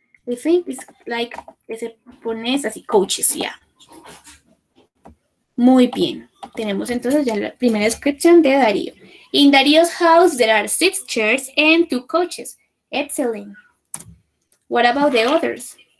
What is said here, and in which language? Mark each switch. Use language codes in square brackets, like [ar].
[en] I think it's like, se pone así, coaches, yeah. [es] Muy bien. Tenemos entonces ya la primera descripción de Darío. [en] In Darío's house, there are 6 chairs and 2 coaches. Excellent. What about the others?